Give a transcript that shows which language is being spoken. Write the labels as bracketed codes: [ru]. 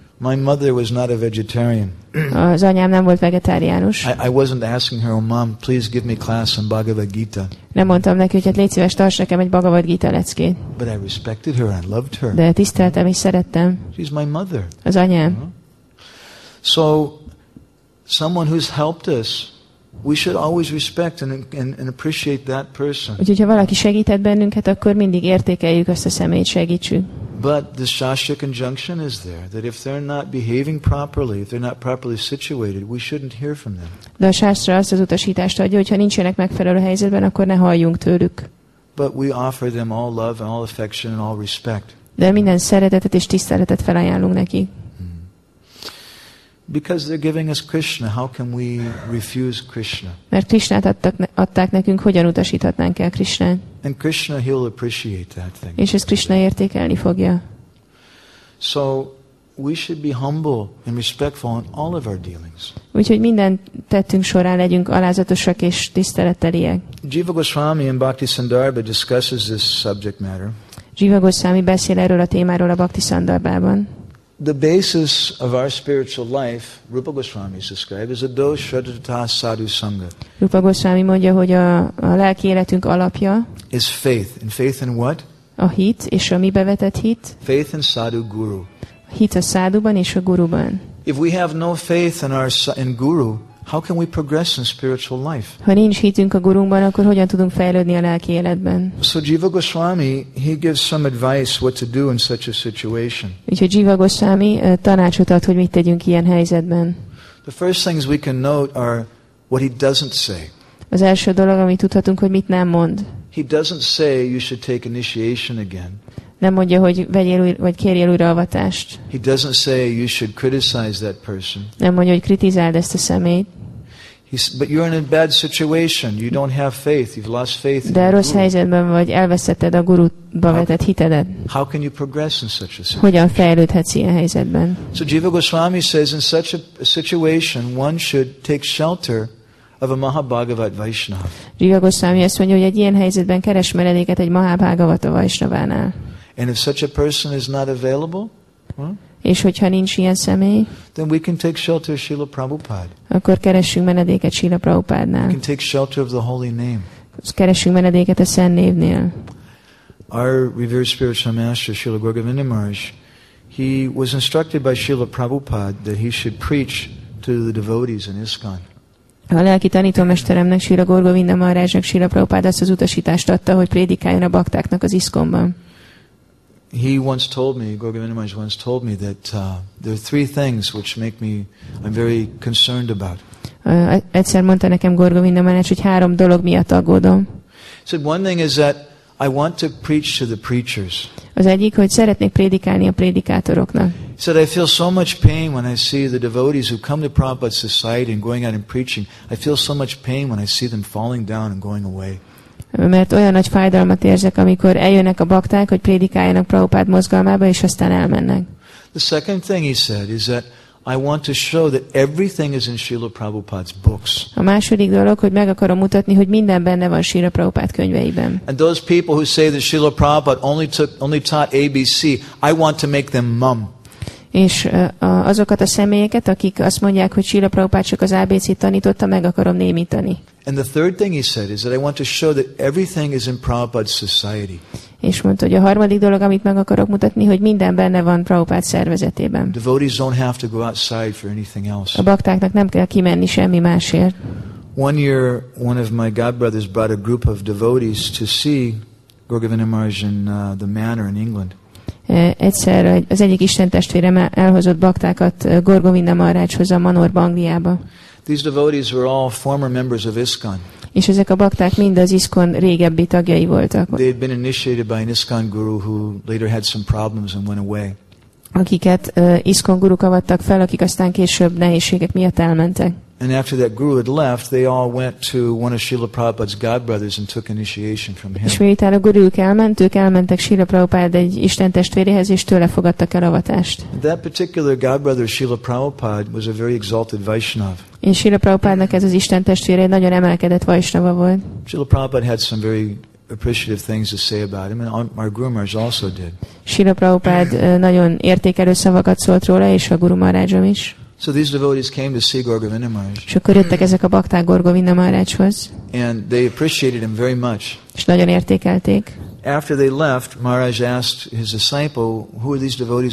[en] My mother was not a vegetarian. [hu] Az anyám nem volt vegetáriánus. [en] I wasn't asking her, "Oh, mom, please give me class on Bhagavad Gita." [hu] Nem mondtam neki, hogy légy szíves, tarts nekem egy Bhagavad Gita leckét. [en] But I respected her and loved her. [hu] De tiszteltem és szerettem. [en] She's my mother. [hu] Az anyám. [en] So, someone who's helped us, we should always respect and appreciate that person. [hu] Úgyhogy ha valaki segített bennünket, akkor mindig értékeljük azt a személyt, segítsük. [en] But the Shastric injunction is there that if they're not behaving properly, if they're not properly situated, we shouldn't hear from them. [hu] De a Shastra azt az utasítást adja, hogy ha nincsenek megfelelő helyzetben, akkor ne halljunk tőlük. [en] But we offer them all love and all affection and all respect. [hu] De minden szeretetet és tiszteletet felajánlunk neki. [en] Because they're giving us Krishna, how can we refuse Krishna? [hu] Mert Krishnát adták nekünk, hogyan utasíthatnánk el Krishnát? [en] And Krishna, he'll appreciate that thing. [hu] És ezt Krishna értékelni fogja. [en] So we should be humble and respectful in all of our dealings. [hu] Úgyhogy minden tettünk során legyünk alázatosak és tiszteletteliek. [en] Jiva Goswami in Bhaktisandarbha discusses this subject matter. [hu] Jiva Goswami beszél erről a témáról a Bhaktisandarbhában. [en] The basis of our spiritual life, Rupa Goswami described, is a dosh-radhita sadhu sangha. [hu] Rupa Goswami mondja, hogy a lelki életünk alapja [en] is faith. And faith in what? [hu] A hit, és a mibe vetett hit. [en] Faith in sadhu guru. [hu] Hit a sadhuban és a guruban. [en] If we have no faith in guru, How can we progress in spiritual life? [hu] Ha nincs hitünk a gurunkban, akkor hogyan tudunk fejlődni a lelki életben? [en] So Jiva Goswami, he gives some advice what to do in such a situation. [hu] Úgyhogy Jiva Goswami tanácsot ad, hogy mit tegyünk ilyen helyzetben. [en] The first things we can note are what he doesn't say. [hu] Az első dolog, amit tudhatunk, hogy mit nem mond. [en] He doesn't say you should take initiation again. [hu] Nem mondja, hogy vegyél újra, vagy kérjél újra avatást. [en] He doesn't say you should criticize that person. [hu] Nem mondja, hogy kritizáld ezt a személyt. [en] But you're in a bad situation. You don't have faith. You've lost faith. [hu] De rossz helyzetben vagy, elvesztetted a gurutba vetett hitedet. [en] How can you progress in such a situation? [hu] Hogyan fejlődhetsz ilyen helyzetben? [en] So Jiva Goswami says in such a situation one should take shelter of a Mahabhagavat Vaishnava. [hu] Jiva Goswami azt mondja, hogy egy ilyen helyzetben keres menedéket egy Mahabhagavata Vaishnavánál. [en] And if such a person is not available, [hu] és hogyha nincs ilyen személy, [en] then we can take shelter of Srila Prabhupada. [hu] Akkor keressünk menedéket Srila Prabhupádnál. [en] We can take shelter of the holy name. [hu] Keressünk menedéket a szent névnél. [en] Our revered spiritual master Srila Gaurivinda Maharaj, he was instructed by Srila Prabhupada that he should preach to the devotees in ISKCON. [hu] A lelki tanítómesteremnek, Srila Gaurivinda Maharajnak, Srila Prabhupada azt az utasítást adta, hogy prédikáljon a baktáknak az ISKCON-ban. [en] He once told me, Gaurivinda Maharaj once told me that there are three things which make me I'm very concerned about. [hu] Egyszer mondta nekem Gaurivinda Maharaj, hogy három dolog miatt aggódom. [en] So one thing is that I want to preach to the preachers. [hu] Az egyik, hogy szeretnék prédikálni a prédikátoroknak. [en] So I feel so much pain when I see the devotees who come to Prabhupada society and going out and preaching. I feel so much pain when I see them falling down and going away. [hu] Mert olyan nagy fájdalmat érzek, amikor eljönnek a bakták, hogy prédikáljanak Prabhupád mozgalmába, és aztán elmennek. [en] The second thing he said is that I want to show that everything is in Srila Prabhupada's books. [hu] A második dolog, hogy meg akarom mutatni, hogy minden benne van Srila Prabhupád könyveiben. [en] And those people who say that Srila Prabhupada only taught ABC, I want to make them mum. [hu] És azokat a személyeket, akik azt mondják, hogy Srila Prabhupád csak az ABC-t tanította, meg akarom némítani. [en] And the third thing he said is that I want to show that everything is in Prabhupada's society. [hu] És mondta, hogy a harmadik dolog, amit meg akarok mutatni, hogy minden benne van Prabhupád szervezetében. [en] Devotees don't have to go outside for anything else. [hu] A baktáknak nem kell kimenni semmi másért. [en] One year, one of my godbrothers brought a group of devotees to see Gaurivinda Maharaj in the manor in England. [hu] Egyszer az egyik istentestvérem elhozott baktákat Gaurivinda Maharajhoz a manorba, Angliába. [en] These devotees were all former members of ISKCON. [hu] És ezek a bakták mind az ISKCON régebbi tagjai voltak. [en] They had been initiated by an ISKCON guru who later had some problems and went away. [hu] Akiket ISKCON guruk avattak fel, akik aztán később nehézségek miatt elmentek. [en] And after that guru had left, they all went to one of Srila Prabhupada's godbrothers and took initiation from him. [hu] És miután a guruk elment, ők elmentek Srila Prabhupada egy istentestvérehez, és tőle fogadtak el avatást. [en] That particular godbrother, Srila Prabhupada, was a very exalted Vaishnava. [hu] És Srila Prabhupádnak ez az istentestvére egy nagyon emelkedett Vaishnava volt. [en] Srila Prabhupada had some very appreciative things to say about him, and our Guru Maharaj also did. [hu] Srila Prabhupada nagyon értékelő szavakat szólt róla, és a Guru Maharajom is. [en] So these devotees came to see Gaurivinda Maharaj. [hu] És akkor jöttek ezek a bakták Gaurivinda Maharajhoz. [en] And they appreciated him very much. [hu] És nagyon értékelték. [en] After they left, Maharaj asked his disciple, "Who are these devotees?